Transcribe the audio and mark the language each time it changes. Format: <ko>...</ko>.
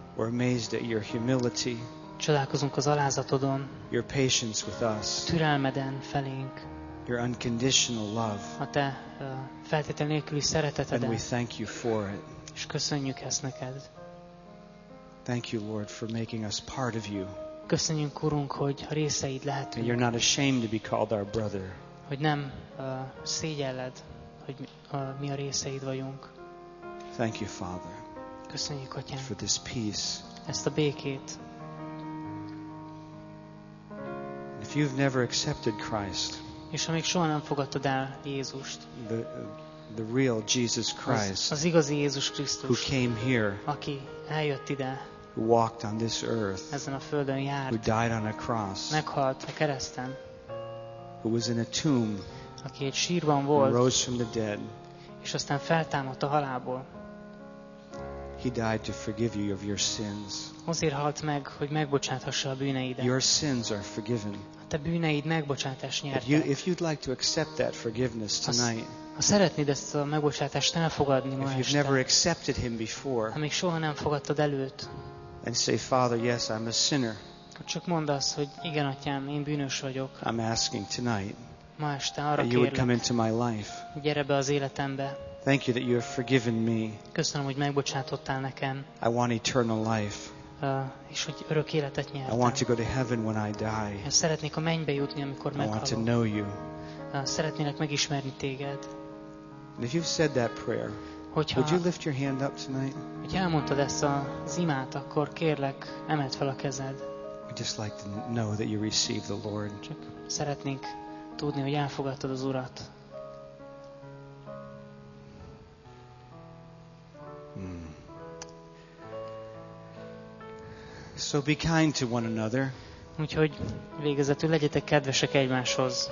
<en>We're amazed at your humility.</en> <hu>Csodálkozunk az alázatodon.</hu> <en>Your patience with us.</en> <hu>A türelmeden felénk.</hu> <en>Your unconditional love.</en> <hu>A te feltétel nélküli szereteteden.</hu> <en>And we thank you for it.</en> <hu>És köszönjük ezt neked.</hu> <en>Thank you, Lord, for making us part of you.</en> <hu>Köszönjük, Urunk, hogy a részeid lehetünk.</hu> <en>And you're not ashamed to be called our brother.</en> <hu>Hogy nem szégyelled, hogy mi a részeid vagyunk.</hu> <en>Thank you, Father.</en> <hu>Köszönjük, Atyám.</hu> <en>For this peace.</en> <hu>Ezt a békét.</hu> <en>If you've never accepted Christ.</en> <hu>És ha még soha nem fogadtad el Jézust.</hu> <en>The real Jesus Christ.</en> <hu>Az igazi Jézus Krisztus.</hu> <en>Who came here.</en> <hu>Aki eljött ide.</hu> <en>Who walked on this earth.</en> <hu>Ezen a földön járt.</hu> <en>Who died on a cross.</en> <hu>Meghalt a kereszten.</hu> <en>Who was in a tomb.</en> <hu>Aki egy sírban volt.</hu> <en>And rose from the dead.</en> <hu>És aztán feltámadt a halálból.</hu> <en>He died to forgive you of your sins.</en> <hu>Azért halt meg, hogy megbocsáthassa a bűneidet.</hu> <en>Your sins are forgiven.</en> <hu>Te bűneid megbocsátást nyertek.</hu> <en>If you'd like to accept that forgiveness tonight.</en> <hu>Ha szeretnéd ezt a megbocsátást elfogadni ma este.</hu> <en>If you've never accepted him before.</en> <hu>Ha még soha nem fogadtad el őt.</hu> <en>And say, Father, yes, I'm a sinner.</en> <hu>Csak mondd azt, hogy igen, Atyám, én bűnös vagyok.</hu> <en>I'm asking tonight.</en> <hu>Ma este arra</hu> <en>kérlek. You would come into my life.</en> <hu>Gyere be az életembe.</hu> <en>Thank you that you have forgiven me.</en> <hu>Köszönöm, hogy megbocsátottál nekem.</hu> <en>I want eternal life.</en> <hu>És hogy örök életet nyertem.</hu> <en>I want to go to heaven when I die.</en> <hu>Szeretnék a mennybe jutni, amikor meghalok.</hu> <en>I want to know you.</en> <hu>Szeretnélek megismerni téged.</hu> <en>And if you've said that prayer, would you lift your hand up tonight?</en> <hu>Hogyha elmondtad ezt az imát, akkor kérlek, emeld fel a kezed.</hu> <en>We'd just like to know that you received the Lord.</en> <hu>Csak szeretnénk tudni, hogy elfogadtad az Urat.</hu> <en>So be kind to one another.</en> <hu>Úgyhogy végezetül legyetek kedvesek egymáshoz.</hu>